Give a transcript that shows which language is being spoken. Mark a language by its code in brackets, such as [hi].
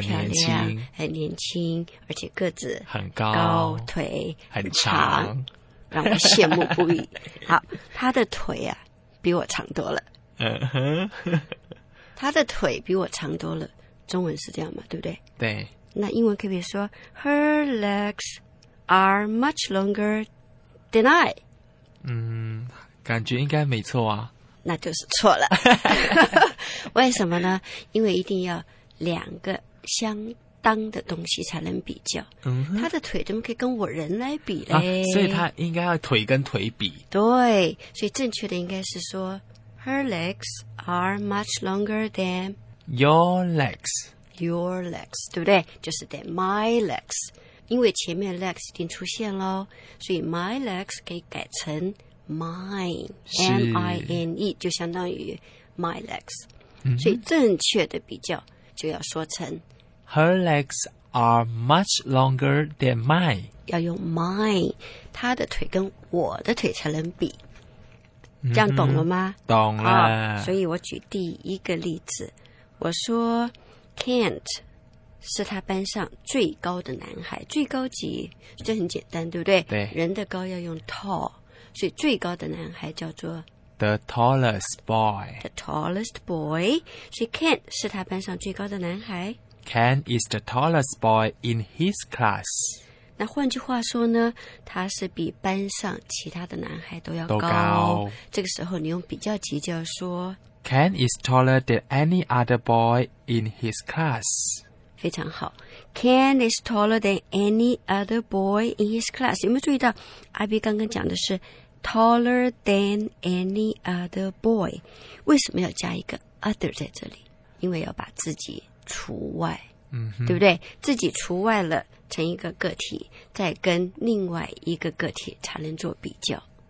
[zh] 年轻，很年轻，而且个子很高，高腿很长，让我羡慕不已。好，她的腿啊比我长多了。她的腿比我长多了，中文是这样嘛？对不对？对。那英文可以说 [en] ，Her legs are much longer than I。 [zh] 感觉应该没错啊。那就是错了。为什么呢？因为一定要两个相当的东西才能比较。他的腿怎么可以跟我人来比呢、所以他应该要腿跟腿比。对，所以正确的应该是说 [en] Her legs are much longer than Your legs. Your legs, [zh] 对不对？ 就是 [en] than my legs. [zh] 因为前面 legs 已经出现了，所以 [en] my legs [zh] 可以改成Mine, M-I-N-E, 就相当于 my legs.、所以正确的比较就要说成 [en] Her legs are much longer than mine. [zh] 要用 mine, 她的腿跟我的腿才能比。这样懂了吗？懂了、所以我举第一个例子，我说 Kent 是他班上最高的男孩，最高级，这很简单，对不对？对，人的高要用 tall。所以最高的男孩叫做 [en] The tallest boy. The tallest boy. [zh] 所以 Ken 是他班上最高的男孩。 [en] Ken is the tallest boy in his class. [zh] 那换句话说呢，他是比班上其他的男孩都要高。这个时候你用比较级就要说 [en] Ken is taller than any other boy in his class. [zh] 非常好。 [en] Ken is taller than any other boy in his class. [zh] 有没有注意到阿 B 刚刚讲的是 [en] taller than any other boy? [zh] 为什么要加一个 other 在这里？因为要把自己除外、对不对？自己除外了，成一个个体，再跟另外一个个体才能做比较。